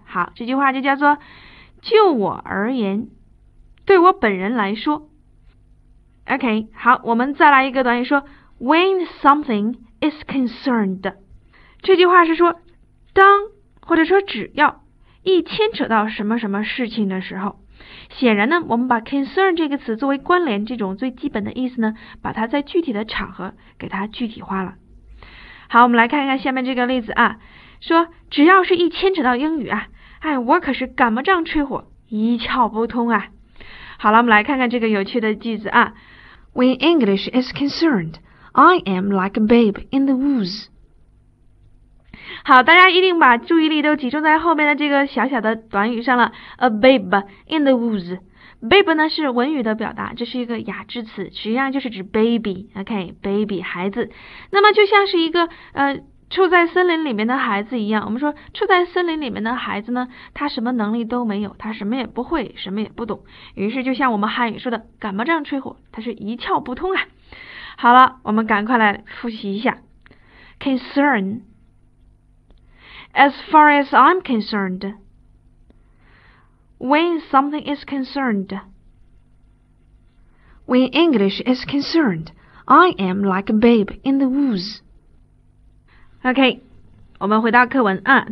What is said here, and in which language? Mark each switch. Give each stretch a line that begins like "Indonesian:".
Chinese: 好，这句话就叫做。就我而言，对我本人来说 ，OK， 好，我们再来一个短语说 ，
English: when something is concerned，
Chinese: 这句话是说，当或者说只要一牵扯到什么什么事情的时候，显然呢，我们把 concern 这个词作为关联这种最基本的意思呢，把它在具体的场合给它具体化了。好，我们来看一看下面这个例子啊，说只要是一牵扯到英语啊。哎，我可是赶不上吹火，一窍不通啊。好了，我们来看看这个有趣的句子啊。
English: When English is concerned, I am like a babe in the woods.
Chinese: 好，大家一定把注意力都集中在后面的这个小小的短语上了。
English: A babe in the woods.
Chinese: Babe 呢是文语的表达，这是一个哑制词，实际上就是指
English: baby, OK, baby, 孩子。
Chinese: 那么就像是一个处在森林里面的孩子一样，我们说处在森林里面的孩子呢，他什么能力都没有，他什么也不会，什么也不懂，于是就像我们汉语说的赶不上吹火，他是一窍不通啊。好了，我们赶快来复习一下
English: concern as far as I'm concerned when something is concerned when English is concerned I am like a babe in the woodsOK，
Chinese: 我们回到课文啊。